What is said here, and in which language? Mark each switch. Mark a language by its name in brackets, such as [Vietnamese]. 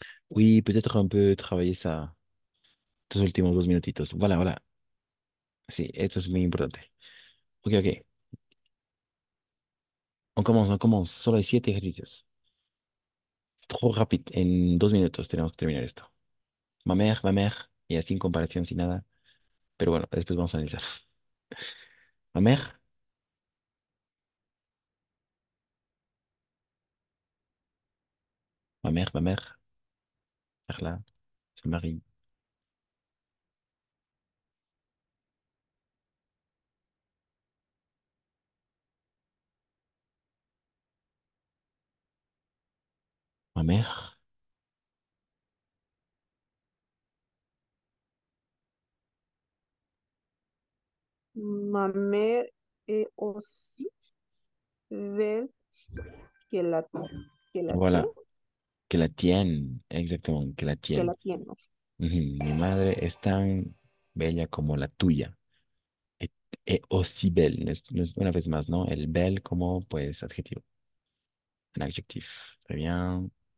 [French] Oui, peut-être un peu travailler ça. [Spanish] Estos últimos 2 minutitos. Voilà. Sí, esto es muy importante. Ok. [French] On commence, [Spanish] solo hay 7 ejercicios. Trop rápido, en 2 minutos tenemos que terminar esto. [French] Ma mère, [Spanish] y así en comparación, sin nada. Pero bueno, después vamos a analizar. [French] Ma mère. Ma mère. Là, je marie. Ma mère. Ma mère est aussi belle que la tienne. Voilà. Que la tienne, exactement, que la Que la tienne. tienne. [Spanish] Mi madre es tan bella como la tuya. [French] Es aussi belle. [Spanish] Una vez más, ¿no? El belle como, pues, adjetivo. Un adjetivo. Très bien.